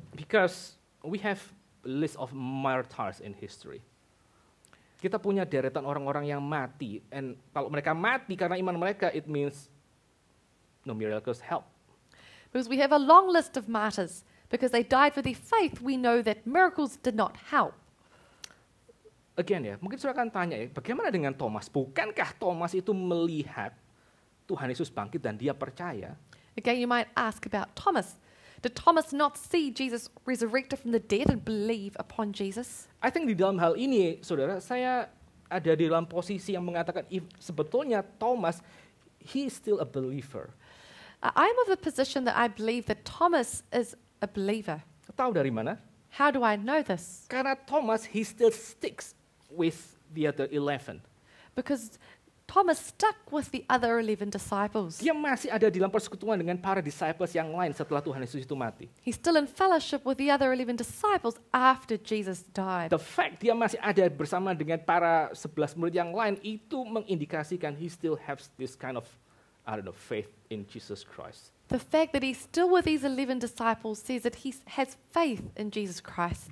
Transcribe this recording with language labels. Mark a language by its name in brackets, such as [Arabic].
[English] Because we have a list of martyrs in history. [Indonesian] Kita punya deretan orang-orang yang mati, and kalau mereka mati karena iman mereka, [English] it means no miracles help. Because we have a long list of martyrs, because they died for their faith, we know that miracles did not help. [Indonesian] Again ya, mungkin saudara akan tanya ya, bagaimana dengan Thomas? Bukankah Thomas itu melihat Tuhan Yesus bangkit dan dia percaya? [English] Again, you might ask about Thomas. Did Thomas not see Jesus resurrected from the dead and believe upon Jesus? I think [Indonesian] di dalam hal ini, saudara, saya ada di dalam posisi yang mengatakan sebetulnya Thomas, [English] he is still a believer. I am of the position that I believe that Thomas is a believer. [Indonesian] Tahu dari mana? [English] How do I know this? [Indonesian] Karena [English] Thomas, he still sticks with the other 11. Because Thomas stuck with the other 11 disciples. [Indonesian] Dia masih ada di dalam persekutuan dengan para disciples yang lain setelah Tuhan Yesus itu mati. [English] He's still in fellowship with the other 11 disciples after Jesus died. The fact [Indonesian] dia masih ada bersama dengan para 11 murid yang lain itu mengindikasikan [English] he still has this kind of, I don't know, faith in Jesus Christ. The fact that he's still with these 11 disciples says that he has faith in Jesus Christ.